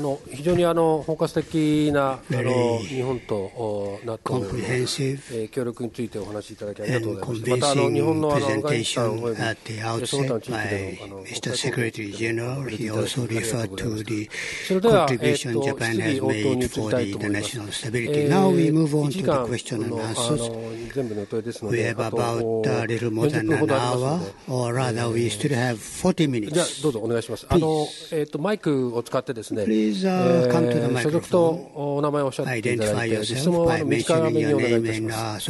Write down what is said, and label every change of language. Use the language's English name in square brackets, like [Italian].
[Japanese] 非常に包括的な日本と NATO の協力についてお話しいただきありがとうございました。また日本のアフガニスタンおよびその他の地域での [English] Mr. Secretary General, he also referred to the contribution Japan has made for the international stability. Now we move on to the question and answers. We have about a little more than an hour, or rather we still have 40 minutes. [Japanese] じゃあどうぞお願いします。マイクを使ってってですね、所属とお名前をおっしゃっていただいて、質問は短めにお願いいたします。